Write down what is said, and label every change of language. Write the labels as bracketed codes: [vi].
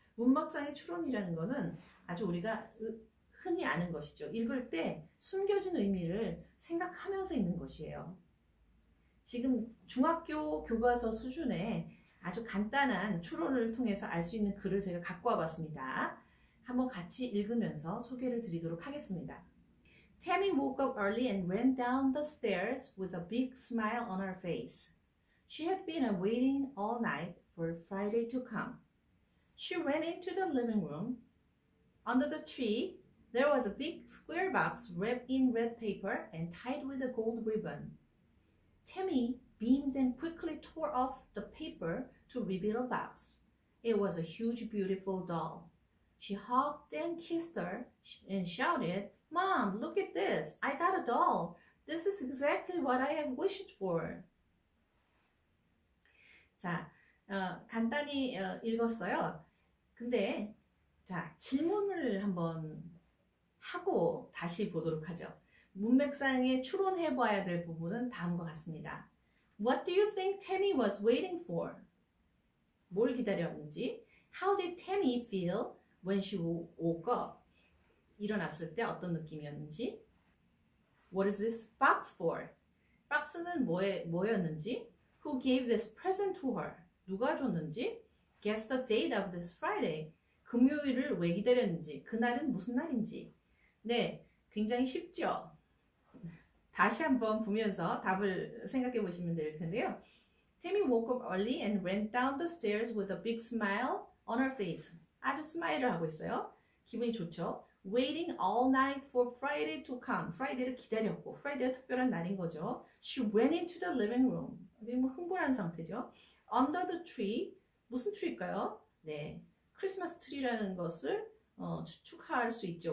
[ko] 문맥상의 추론이라는 것은 아주 우리가 흔히 아는 것이죠. 읽을 때 숨겨진 의미를 생각하면서 읽는 것이에요. 지금 중학교 교과서 수준의 아주 간단한 추론을 통해서 알수 있는 글을 제가 갖고 와봤습니다. 한번 같이 읽으면서 소개를 드리도록 하겠습니다. [en] Tammy woke up early and ran down the stairs with a big smile on her face. She had been waiting all night for Friday to come. She ran into the living room. Under the tree, there was a big square box wrapped in red paper and tied with a gold ribbon. Tammy beamed and quickly tore off the paper to reveal a box. It was a huge, beautiful doll. She hugged and kissed her and shouted, Mom, look at this. I got a doll. This is exactly what I have wished for. [ko] 자, 간단히 읽었어요. 근데, 자, 질문을 한번 하고 다시 보도록 하죠. 문맥상에 추론해봐야 될 부분은 다음과 같습니다. [en] What do you think Tammy was waiting for? [ko] 뭘 기다렸는지? [en] How did Tammy feel when she woke up? [ko] 일어났을 때 어떤 느낌이었는지? [en] What is this box for? [ko] 박스는 뭐였는지? [en] Who gave this present to her? [ko] 누가 줬는지? [en] Guess the date of this Friday. [ko] 금요일을 왜 기다렸는지? 그날은 무슨 날인지? 네, 굉장히 쉽죠? 다시 한번 보면서 답을 생각해 보시면 될 텐데요. [en] Tammy woke up early and ran down the stairs with a big smile on her face. [ko] 아주 스마일을 하고 있어요. 기분이 좋죠? [en] Waiting all night for Friday to come. [ko] Friday를 기다렸고, Friday가 특별한 날인 거죠. [en] She ran into the living room. [ko] 흥분한 상태죠. [en] Under the tree. [ko] 무슨 tree일까요? 네, 크리스마스 트리라는 것을 추측할 수 있죠.